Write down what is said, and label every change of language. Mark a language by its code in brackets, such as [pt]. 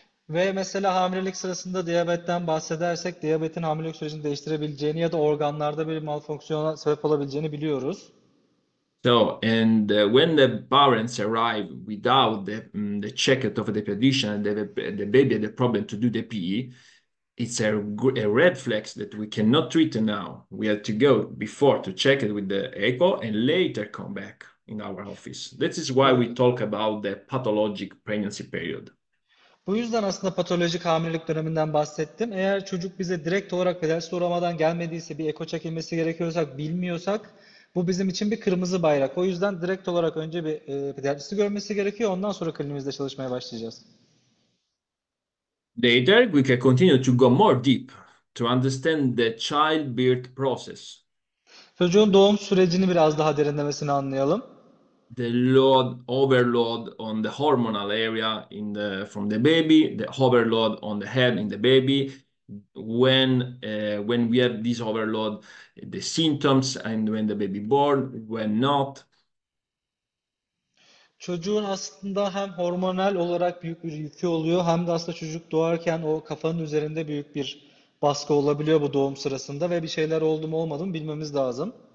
[tr] Ve mesela hamilelik sırasında diyabetten bahsedersek, diyabetin hamilelik sürecini değiştirebileceğini ya da organlarda bir malfonksiyona sebep olabileceğini biliyoruz. [en] So, and when the parents arrive without the check-up of the pediatrician, the baby had a problem to do the PE, it's a red flag that we cannot treat now. We have to go before to check it with the echo and later come back in our office. This is why we talk about the pathologic pregnancy period. [tr] Bu yüzden aslında patolojik hamilelik döneminden bahsettim. Eğer çocuk bize direkt olarak pediatrist uğramadan gelmediyse bir eko çekilmesi gerekiyorsak bilmiyorsak bu bizim için bir kırmızı bayrak. O yüzden direkt olarak önce bir pediatristi görmesi gerekiyor. Ondan sonra klinimizde çalışmaya başlayacağız. [en] Later, we can continue to go more deep to understand the childbirth process. [tr] Çocuğun doğum sürecini biraz daha derinlemesine anlayalım. [en] The overload on the hormonal area in the from the baby, the overload on the head in the baby. When we have this overload, the symptoms and when the baby born, when not. [tr] Çocuğun aslında hem hormonal olarak büyük bir yükü oluyor hem de aslında çocuk doğarken o kafanın üzerinde büyük bir baskı olabiliyor bu doğum sırasında ve bir şeyler oldu mu olmadı mı bilmemiz lazım.